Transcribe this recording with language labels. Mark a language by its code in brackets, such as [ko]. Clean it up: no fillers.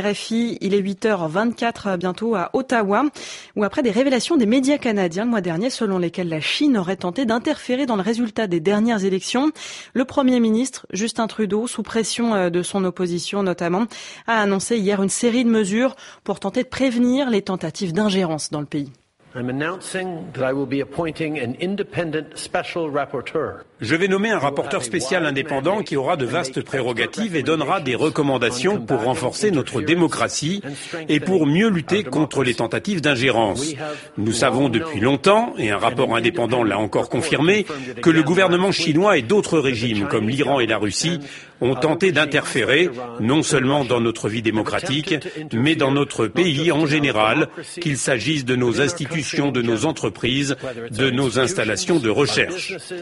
[fr] RFI, il est 8h24 bientôt à Ottawa, où après des révélations des médias canadiens le mois dernier, selon lesquelles la Chine aurait tenté d'interférer dans le résultat des dernières élections, le Premier ministre Justin Trudeau, sous pression de son opposition notamment, a annoncé hier une série de mesures pour tenter de prévenir les tentatives d'ingérence dans le pays. [en] I'm announcing that I will be appointing an independent special rapporteur. [fr] Je vais nommer un rapporteur spécial indépendant qui aura de vastes prérogatives et donnera des recommandations pour renforcer notre démocratie et pour mieux lutter contre les tentatives d'ingérence. Nous savons depuis longtemps, et un rapport indépendant l'a encore confirmé, que le gouvernement chinois et d'autres régimes comme l'Iran et la Russie ont tenté d'interférer, non seulement dans notre vie démocratique, mais dans notre pays en général, qu'il s'agisse de nos institutions, de nos entreprises, de nos installations de recherche.